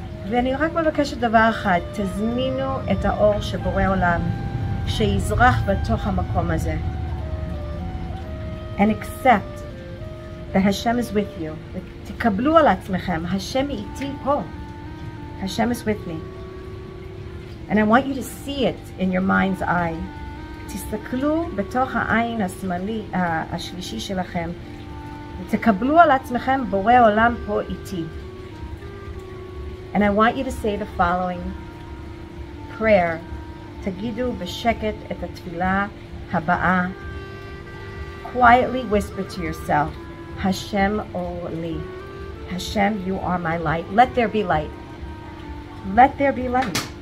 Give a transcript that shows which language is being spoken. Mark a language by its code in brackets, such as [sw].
[he] ואני רק מבקשת דבר אחד, תזמינו את האור שבורא עולם שיזרח בתוך המקום הזה. [en] And accept that Hashem is with you. [he] ותקבלו על עצמכם, Hashem איתי פה. [en] Hashem is with me. And I want you to see it in your mind's eye. [he] תסתכלו בתוך העין השמאלי, השלישי שלכם. ותקבלו על עצמכם, בורא עולם פה איתי. [en] And I want you to say the following prayer. [he] Tagidu b'sheket et ha'tfilah haba'a. [en] Quietly whisper to yourself, Hashem Oli. Hashem, you are my light. Let there be light. Let there be light.